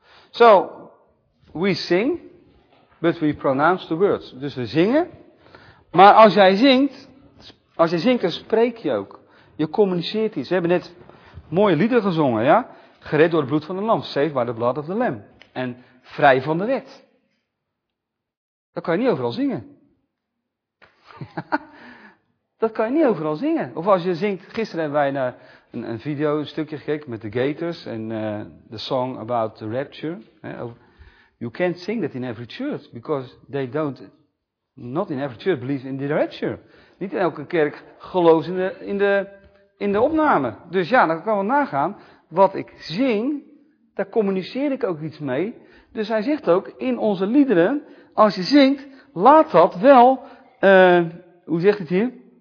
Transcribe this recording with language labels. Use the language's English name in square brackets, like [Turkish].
[English] So, we sing, but we pronounce the words. [Dutch] Dus we zingen. Maar als jij zingt, dan spreek je ook. Je communiceert iets. We hebben net mooie liederen gezongen, ja? Gered door het bloed van de lam, [English] saved by the blood of the lamb. [Dutch] En vrij van de wet. Dat kan je niet overal zingen. Dat kan je niet overal zingen. Of als je zingt, gisteren hebben wij naar een video, een stukje gekeken met de Gators en [English] the song about the rapture. You can't sing that in every church, because they don't, not in every church, believe in the rapture. [Dutch] Niet in elke kerk gelooft in de opname. Dus ja, dan kan wel nagaan. Wat ik zing, daar communiceer ik ook iets mee. Dus hij zegt ook, in onze liederen, als je zingt, laat dat wel, hoe zegt het hier?